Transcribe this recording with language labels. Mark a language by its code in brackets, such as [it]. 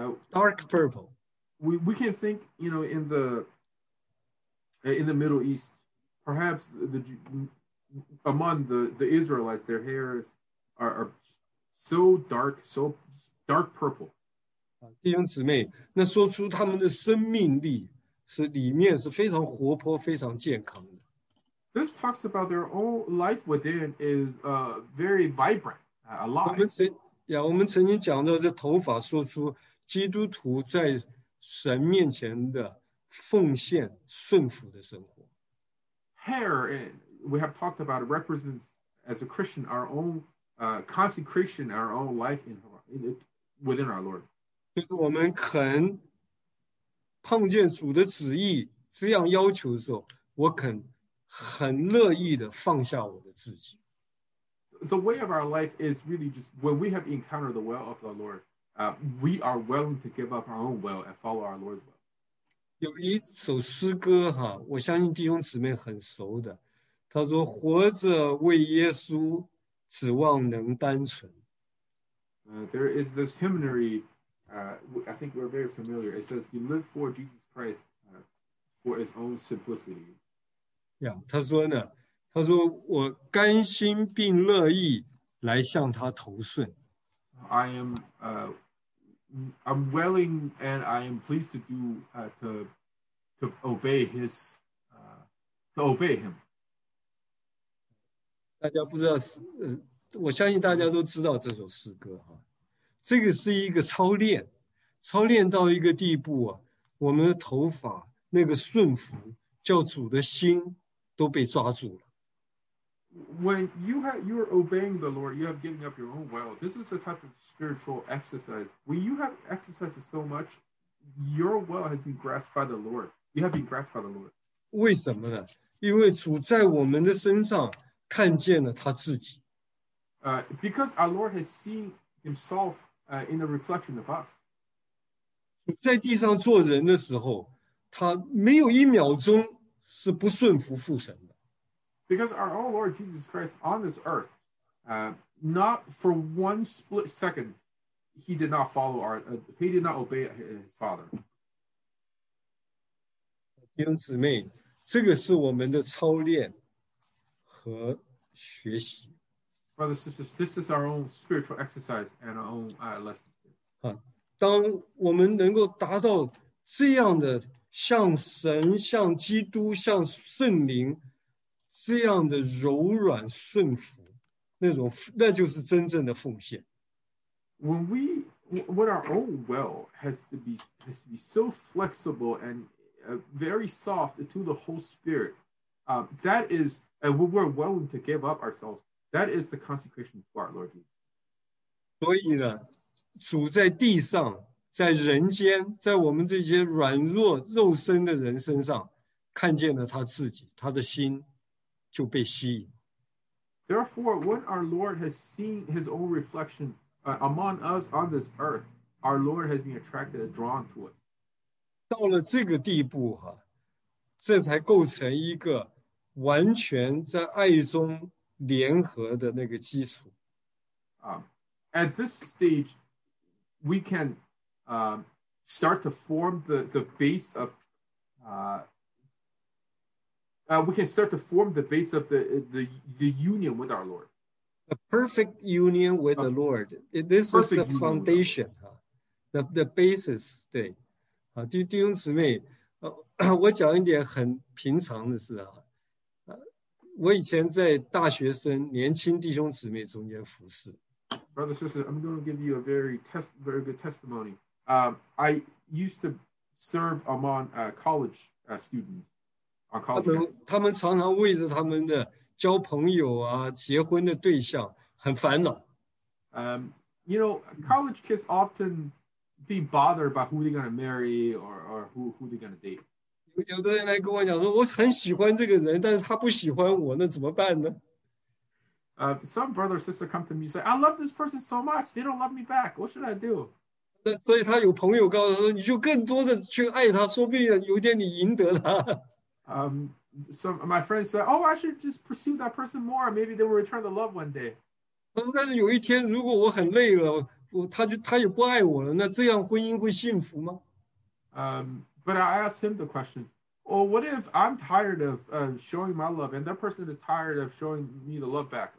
[en] Dark purple. We can think, you know, in the Middle East, perhaps among the Israelites, their hairs are so dark, so. Dark purple. [zh] 弟兄姊妹，那说出他们的生命力是里面是非常活泼、非常健康的。 [en] This talks about their own life within is very vibrant, alive. [zh] 我们曾经讲到这头发说出基督徒在神面前的奉献、顺服的生活。 [en] Hair, we have talked about, represents as a Christian our own consecration, our own life in it. Within our Lord. [zh] 就是我们肯碰见主的旨意，这样要求的时候，我肯很乐意的放下我的自己。 [en] The way of our life is really just when we have encountered the will of the Lord, we are willing to give up our own will and follow our Lord's will. [zh] 有一首诗歌哈，我相信弟兄姊妹很熟的，他说：“活着为耶稣，指望能单纯。” [en] There is this hymnary, I think we're very familiar. It says, you live for Jesus Christ for his own simplicity. [zh] Yeah, 他说呢，他说我甘心并乐意来向他投顺。 [en] I am I'm willing and I am pleased to do, to obey his, to obey him. [zh] 大家不知道是，我相信大家都知道这首诗歌哈。这个是一个操练，操练到一个地步啊，我们的头发那个顺服，叫主的心都被抓住了。 [en] When you are obeying the Lord, you have given up your own will. This is a type of spiritual exercise. When you have exercised so much, your will has been grasped by the Lord. You have been grasped by the Lord. [zh] 为什么呢？因为主在我们的身上看见了他自己。 [en] Because our Lord has seen. Himself in the reflection of us. [zh] 在地上做人的时候，他没有一秒钟是不顺服父神的。 [en] Because our own Lord Jesus Christ on this earth, not for one split second, he did not follow our, he did not obey his Father. [zh] 弟兄姊妹，这个是我们的操练和学习。 [en] Brothers and sisters, this is our own spiritual exercise and our own lesson. [zh] 当我们能够达到这样的像神、像基督、像圣灵这样的柔软顺服，那就是真正的奉献。 [en] When our own will has to be so flexible and very soft to the Holy Spirit, that is, and we're willing to give up ourselves. That is the consecration of our Lord Jesus. [zh] 所以呢，主在地上，在人间，在我们这些软弱肉身的人身上，看见了他自己，他的心就被吸引。 [en] Therefore, when our Lord has seen his own reflection among us on this earth, our Lord has been attracted and drawn to us. [zh] 到了这个地步哈、啊，这才构成一个完全在爱中联合的那个基础。 [en] At this stage, we can start to form the base of we can start to form the base of the union with our Lord. A perfect union with the Lord. This is the foundation, the basis. [zh] 对，啊，弟兄姊妹，我讲一点很平常的事啊。我以前在大学生、年轻弟兄姊妹中间服侍。 [en] Brother, sister, I'm going to give you a very good testimony. I used to serve among college students. [zh] 他们常常为着他们的交朋友啊、结婚的对象很烦恼。 [en] You know, college kids often be bothered by who they're going to marry or who they're going to date. [zh] 有的人来跟我讲说，我很喜欢这个人，但是他不喜欢我，那怎么办呢？ [en] Some brother or sister come to me and say, I love this person so much. They don't love me back. What should I do? [zh] 所以他有朋友告诉他，你就更多的去爱他，说不定有点你赢得他。 [en] Some of my friends say, oh, I should just pursue that person more. Maybe they will return the love one day. [zh] 但是有一天如果我很累了，他也不爱我了，那这样婚姻会幸福吗？ [en] But I asked him the question, well, what if I'm tired of showing my love and that person is tired of showing me the love back?